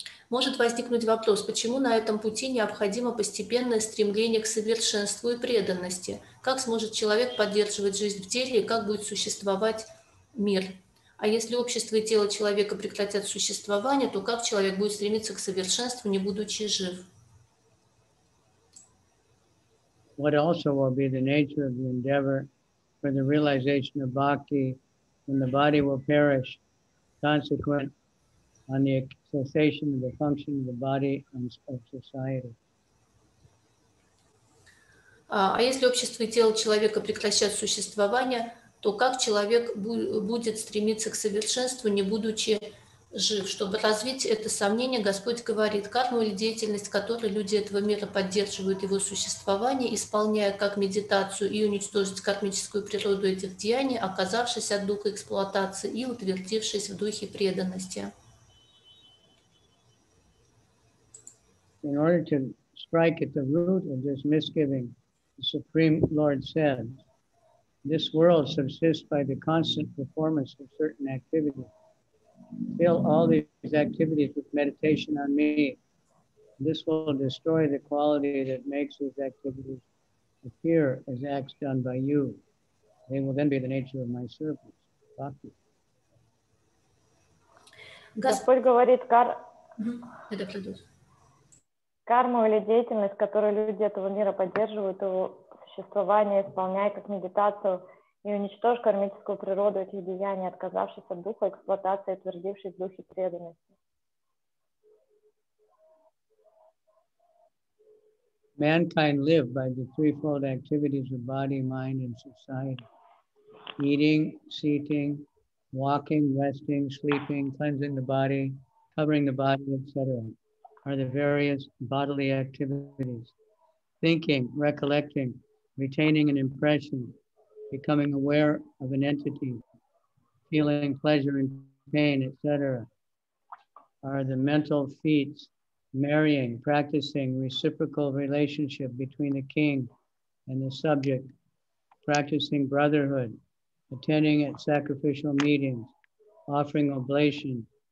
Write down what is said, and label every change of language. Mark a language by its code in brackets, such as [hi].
[ru] Может возникнуть вопрос, почему на этом пути необходимо постепенное стремление к совершенству и преданности? Как сможет человек поддерживать жизнь в теле и как будет существовать мир? А если общество и тело человека прекратят существование, то как человек будет стремиться к совершенству, не будучи жив? [en] what also will be the nature of the endeavor for the realization of bhakti when the body will perish, consequent on the cessation of the function of the body and of society. [ru] А если общество и тело человека прекращают существование, то как человек будет стремиться к совершенству, не будучи жив? Чтобы развить это сомнение, Господь говорит, карму или деятельность, которой люди этого мира поддерживают его существование, исполняя как медитацию и уничтожить кармическую природу этих деяний, оказавшись от духа эксплуатации и утвердившись в духе преданности. [en] In order to strike at the root of this misgiving, the Supreme Lord said, this world subsists by the constant performance of certain activities. Fill all these activities with meditation on me. This will destroy the quality that makes these activities appear as acts done by you. They will then be the nature of my service. Bhakti. [ru] Господь говорит, карму или деятельность, которую люди этого мира поддерживают, его существование, исполняя как медитацию и уничтожь кармическую природу этих деяний, отказавшись от духа эксплуатации, утвердившись в духе преданности. [en] Mankind live by the threefold activities of body, mind and society. Eating, seating, walking, resting, sleeping, cleansing the body, covering the body, etc. are the various bodily activities. Thinking, recollecting, retaining an impression, becoming aware of an entity, feeling pleasure and pain, etc., are the mental feats, marrying, practicing reciprocal relationship between the king and the subject, practicing brotherhood, attending at sacrificial meetings, offering oblation,